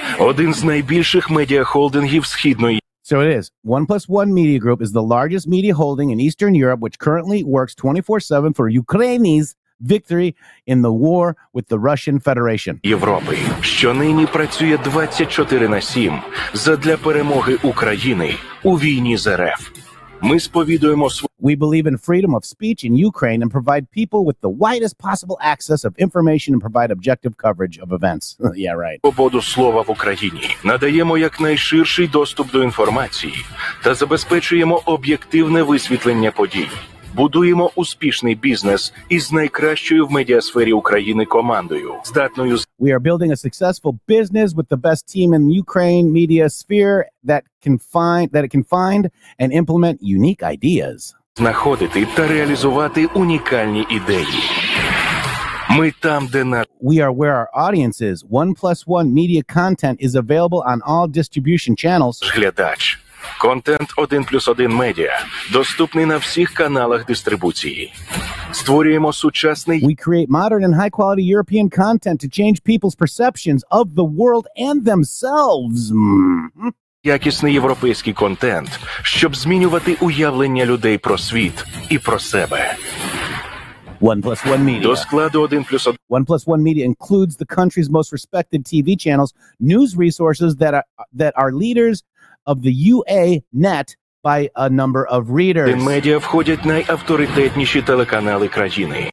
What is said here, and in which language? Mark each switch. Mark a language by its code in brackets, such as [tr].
[uk] Один з найбільших медіа холдингів Східної. [en] So it is. One Plus One Media Group is the largest media holding in Eastern Europe, which currently works 24/7 for Ukraine's victory in the war with the Russian Federation. [uk] Європи, що нині працює 24/7 задля перемоги України у війні з РФ. Ми сповідуємо [en] We believe in freedom of speech in Ukraine and provide people with the widest possible access of information and provide objective coverage of events. Yeah, right. [uk] Свободу слова в Україні. Надаємо якнайширший доступ до інформації та забезпечуємо об'єктивне висвітлення подій. Будуємо успішний бізнес із найкращою в медіасфері України командою, здатною з [en] We are building a successful business with the best team in Ukraine media sphere that it can find and implement unique ideas. [uk] Знаходити та реалізувати унікальні ідеї. Ми там, де на [en] We are where our audience is. One Plus One Media content is available on all distribution channels. [uk] Глядач. Контент 1 плюс 1 медіа доступний на всіх каналах дистрибуції. Створюємо сучасний [en] We create modern and high quality European content to change people's perceptions of the world and themselves. [uk] Якісний європейський контент, щоб змінювати уявлення людей про світ і про себе. [en] One Plus One Media. [uk] До складу 1 плюс 1. [en] One Plus One Media includes the country's most respected TV channels, news resources that are leaders of the UA net by a number of readers. [uk] До медіа входять найавторитетніші телеканали країни.